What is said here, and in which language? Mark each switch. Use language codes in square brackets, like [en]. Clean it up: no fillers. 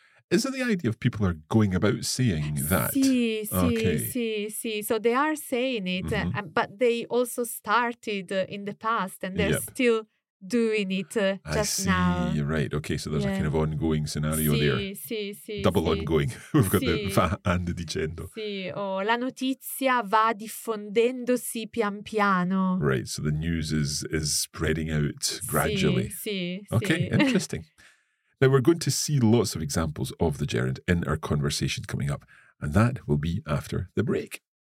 [en] Is it the idea of people are going about saying that? [it] Sì. [en] So they are saying it, but they also started in the past and they're still doing it now. I see, right. Okay, so there's a kind of ongoing scenario there. Double ongoing. We've got the fa and dicendo. [it] Sì, oh, la notizia va diffondendosi pian piano. [en] Right, so the news is spreading out gradually. [it] Sì. [en] Interesting. Now, we're going to see lots of examples of the gerund in our conversation coming up, and that will be after the break.